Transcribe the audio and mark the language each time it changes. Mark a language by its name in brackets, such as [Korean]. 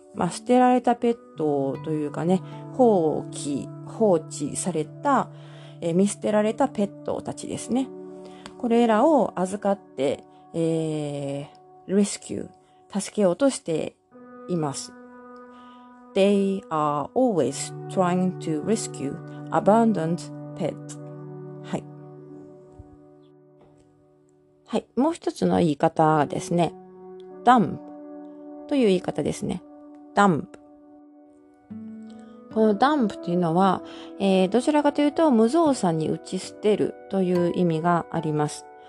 [Japanese] 捨てられたペットというかね、放置された、見捨てられたペットたちですね。これらを預かって、レスキュー、助けようとしています。 [English] They are always trying to rescue abandoned pets. [Japanese] はい。はい。もう一つの言い方ですね。 dump という言い方ですね。dump。この dump というのは、どちらかというと無造作に打ち捨てるという意味があります。